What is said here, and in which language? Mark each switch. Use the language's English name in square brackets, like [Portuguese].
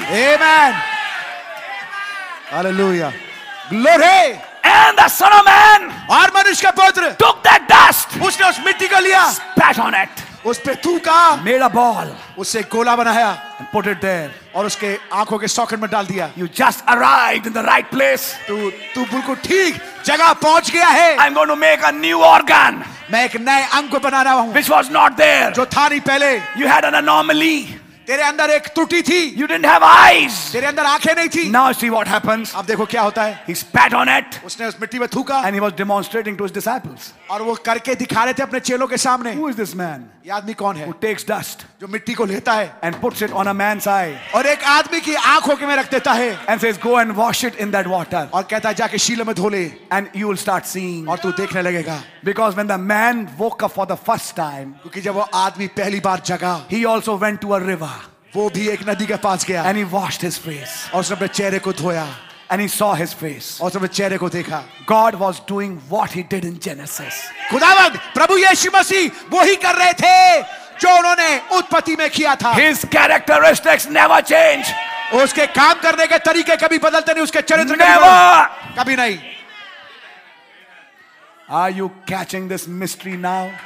[English] आमेन. Hallelujah. Glory. And the Son of Man. [Hindi] और मनुष्य का पुत्र. [English] Took that dust. [Hindi] उसने उस मिट्टी को लिया. [English] Spat on it. [Hindi] उस पे थूका. [English] Made a ball. [Hindi] उसे गोला बनाया. [English] And put it there. [Hindi] और उसके आंखों के सॉकेट में डाल दिया. [English] You just arrived in the right place. [Hindi] तू बिल्कुल ठीक जगह पहुंच गया है. [English] I'm going to make a new organ. [Hindi] मैं एक नए अंग को बना रहा हूँ. [English] Which was not there. [Hindi] जो था नहीं पहले. [English] You had an anomaly. [Hindi] तेरे अंदर एक त्रुटि थी. [English] You didn't have eyes. [Hindi] तेरे अंदर आंखें नहीं थी. [English] Now see what happens. [Hindi] अब देखो क्या होता है. [English] He spat on it. [Hindi] उसने उस मिट्टी में थूका. [English] And he was demonstrating to his disciples. [Hindi] और वो करके दिखा रहे थे अपने चेलों के सामने. [English] Who is this man? [Hindi] ये आदमी कौन है? [English] Who takes dust? [Hindi] जो मिट्टी को लेता है. [English] And puts it on a man's eye. [Hindi] और एक आदमी की आंखों के में रख देता है. [English] And says go and wash it in that water. [Hindi] और कहता है जाके शीलों में धो ले. [English] And you will start seeing. [Hindi] और तू देखने लगेगा. [English] Because when the man woke up for the first time. [Hindi] क्योंकि जब वो आदमी पहली बार जगा. [English] He also went to a river. [Hindi] वो भी एक नदी के पास गया. [English] And he washed his face. [Hindi] और उसने अपने चेहरे को धोया. [English] And he saw his face. [Hindi] और उसने अपने चेहरे को देखा. [English] God was doing what he did in Genesis. [Hindi] खुदावंद प्रभु यीशु मसीह वही कर रहे थे जो उन्होंने उत्पत्ति में किया था. [English] His characteristics never change. [Hindi] उसके काम करने के तरीके कभी बदलते नहीं. उसके चरित्र कभी नहीं. [English] Are you catching this mystery now?